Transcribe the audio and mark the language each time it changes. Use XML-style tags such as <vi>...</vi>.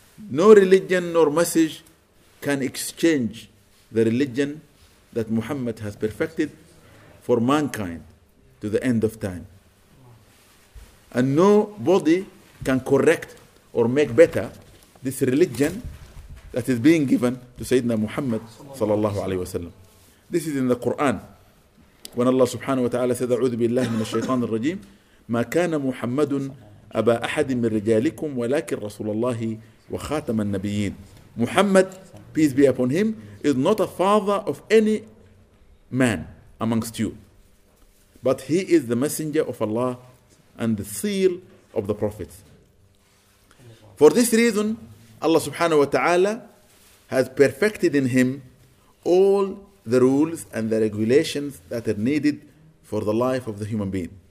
<en>No religion nor message can exchange the religion that Muhammad has perfected for mankind to the end of time. And nobody can correct or make better this religion that is being given to Sayyidina Muhammad sallallahu alayhi wa sallam. This is in the Quran. When Allah subhanahu wa ta'ala said,</en> <ar>أعوذ بالله من الشيطان الرجيم ما كان محمد أبا أحد من رجالكم ولكن رسول الله وخاتم النبيين</ar> <en>Muhammad, peace be upon him, is not a father of any man amongst you. But he is the messenger of Allah and the seal of the prophets. For this reason, Allah subhanahu wa ta'ala has perfected in him all the rules and the regulations that are needed for the life of the human being.</en>